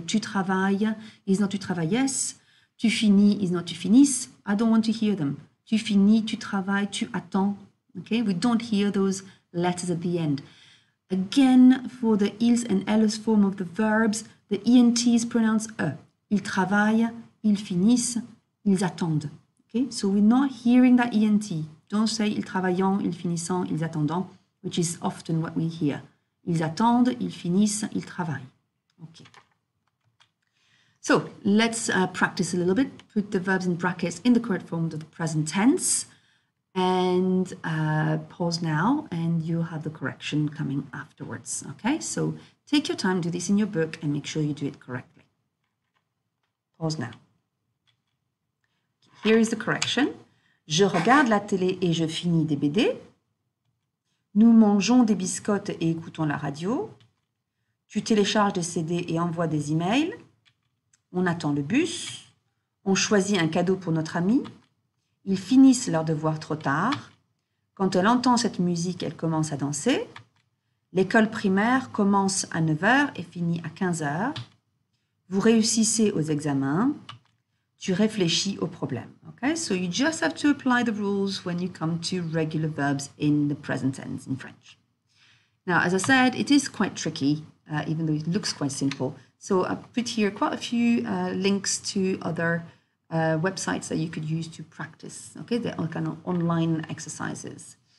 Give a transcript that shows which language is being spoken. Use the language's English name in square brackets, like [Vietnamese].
[French] Tu travailles [English] is not [French] tu travailles. Tu finis [English] is not [French] tu finis. [English] I don't want to hear them. [French] Tu finis, tu travailles, tu attends, okay? [English] We don't hear those letters at the end. Again, for the ils and elles form of the verbs, the ENT is pronounced E. [French] Ils travaillent, ils finissent, ils attendent. [English] Okay, so we're not hearing that ENT. Don't say [French] ils travaillant, ils finissant, ils attendant, [English] which is often what we hear. [French] Ils attendent, ils finissent, ils travaillent. [English] Okay. So let's practice a little bit. Put the verbs in brackets in the correct form of the present tense. And pause now, and you'll have the correction coming afterwards. Okay, so take your time, do this in your book, and make sure you do it correctly. Pause now. Here is the correction. [French] Je regarde la télé et je finis des BD. Nous mangeons des biscottes et écoutons la radio. Tu télécharges des CD et envoies des emails. On attend le bus. On choisit un cadeau pour notre ami. Ils finissent leurs devoirs trop tard. Quand elle entend cette musique, elle commence à danser. L'école primaire commence à 9h et finit à 15h. Vous réussissez aux examens. Tu réfléchis au problème. [English] Okay, so you just have to apply the rules when you come to regular verbs in the present tense in French. Now, as I said, it is quite tricky, even though it looks quite simple. So I've put here quite a few links to other websites that you could use to practice. Okay, they're all kind of online exercises.